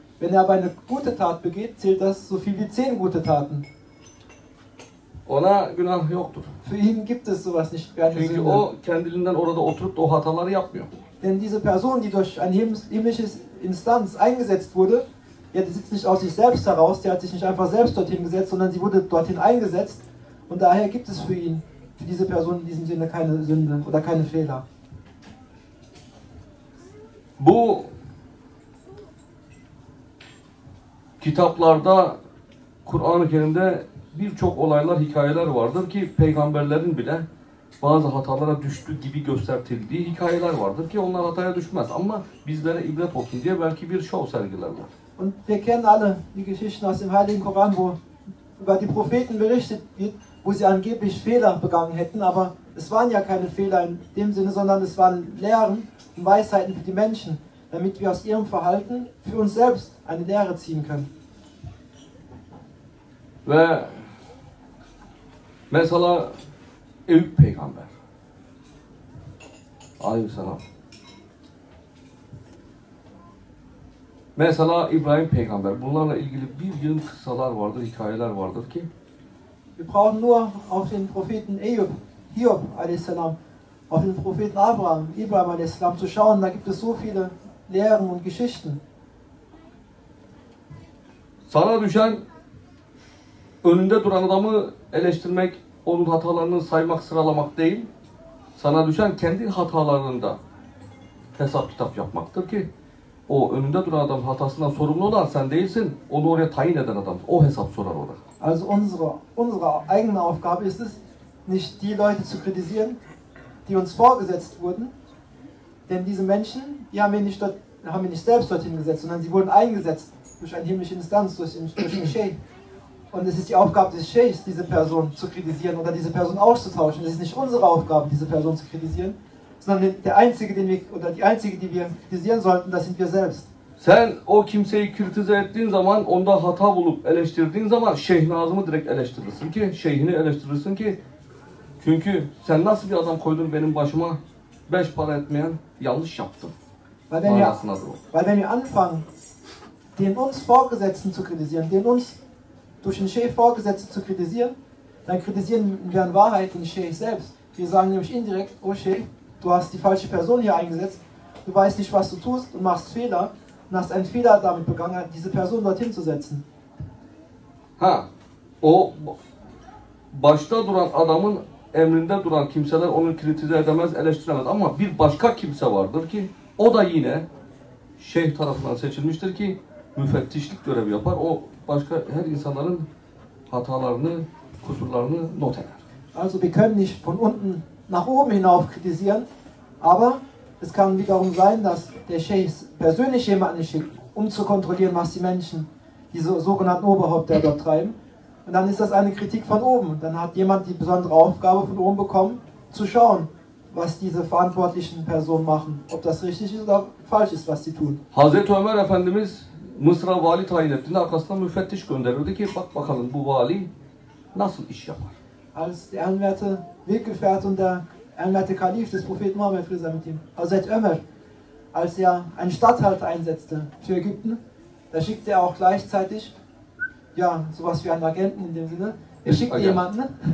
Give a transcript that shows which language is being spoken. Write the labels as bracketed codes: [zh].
[de] Wenn er aber eine gute Tat begeht, zählt das so viel wie 10 gute Taten. [tr] Ona günah yoktur. [de] Für ihn gibt es sowas nicht. [tr] Çünkü o kendiliğinden orada oturup da o hataları yapmıyor. [de] Denn diese Person, die durch ein himmlisches Instanz eingesetzt wurde, ja, die sitzt nicht aus sich selbst heraus, die hat sich nicht einfach selbst dorthin gesetzt, sondern sie wurde dorthin eingesetzt. Und daher gibt es für ihn, für diese Person in diesem Sinne keine Sünde oder keine Fehler. [tr] Bu kitaplarda, Kur'an-ı Kerim'de birçok olaylar, hikayeler vardır ki peygamberlerin bile bazı hatalara düştü gibi gösterildiği hikayeler vardır ki onlar hataya düşmez. Ama bizlere ibret olsun diye belki bir şov sergilerler. [de] Und wir kennen alle die Geschichten aus dem Heiligen Koran, wo über die Propheten berichtet wird, wo sie angeblich Fehler begangen hätten, aber es waren ja keine Fehler in dem Sinne, sondern es waren Lehren und Weisheiten für die Menschen, damit wir aus ihrem Verhalten für uns selbst eine Lehre ziehen können. [tr] Ve mesela Eyüp Peygamber. Aleyhisselam. Mesela İbrahim Peygamber. Bunlarla ilgili bir yığın kıssalar vardır, hikayeler vardır ki. [de] Wir brauchen nur auf den Propheten Eyüp, Hiob Aleyhisselam, auf den Propheten Abraham, İbrahim Aleyhisselam zu schauen. Da gibt es so viele Lehren und Geschichten. [tr] Sana düşen önünde duran adamı eleştirmek, onun hatalarını saymak, sıralamak değil. Sana düşen kendi hatalarında hesap kitap yapmaktır ki o önünde duran adam hatasından sorumlu olan sen değilsin. Onu oraya tayin eden adam. O hesap sorar ona. [de] Also unsere eigene Aufgabe ist es, nicht die Leute zu kritisieren, die uns vorgesetzt wurden. Denn diese Menschen, die haben wir nicht selbst dorthin gesetzt, sondern sie wurden eingesetzt durch eine himmlische Instanz, durch den Sheikh. Und es ist die Aufgabe des Sheikhs, diese Person zu kritisieren oder diese Person auszutauschen. Es ist nicht unsere Aufgabe, diese Person zu kritisieren, sondern der Einzige, die wir kritisieren sollten, das sind wir selbst. [tr] Sen o kimseyi kritize ettiğin zaman, onda hata bulup eleştirdiğin zaman, Şeyh Nazım'ı direkt eleştirirsin ki, Şeyh'ini eleştirirsin ki, çünkü sen nasıl bir adam koydun benim başıma, beş para etmeyen yanlış yaptım. [de] Weil wenn wir anfangen, den uns Vorgesetzten zu kritisieren, den uns durch den Sheikh Vorgesetzten zu kritisieren, dann kritisieren wir in Wahrheit den Sheikh selbst. Wir sagen nämlich indirekt, oh Sheikh, du hast die falsche Person hier eingesetzt, du weißt nicht, was du tust und machst Fehler und hast einen Fehler damit begangen, diese Person dorthin zu setzen. [tr] Ha, o başta duran adamın emrinde duran kimseler onu kritize edemez, eleştiremez. Ama bir başka kimse vardır ki o da yine şeyh tarafından seçilmiştir ki müfettişlik görevi yapar. O başka her insanların hatalarını, kusurlarını not eder. [de] Also wir können nicht von unten nach oben hinauf kritisieren, aber es kann wiederum sein, dass der Sheikh persönlich jemanden schickt, um zu kontrollieren, was die Menschen, diese sogenannten Oberhäupter dort treiben. Und dann ist das eine Kritik von oben. Dann hat jemand die besondere Aufgabe von oben bekommen, zu schauen, was diese verantwortlichen Personen machen, ob das richtig ist oder falsch ist, was sie tun. [tr] Hazreti Ömer Efendimiz Mısır'a vali tayin ettiğinde arkasından müfettiş gönderirdi ki bak bakalım bu vali nasıl iş yapar. [de] Als der Anwärter Weggefährt und der Anwärter Kalif des Propheten Muhammed Friede sei mit ihm, Hazreti Ömer, als er einen Statthalter einsetzte für Ägypten, da schickte er auch gleichzeitig, ja, sowas wie einen Agenten in dem Sinne, er schickte jemanden,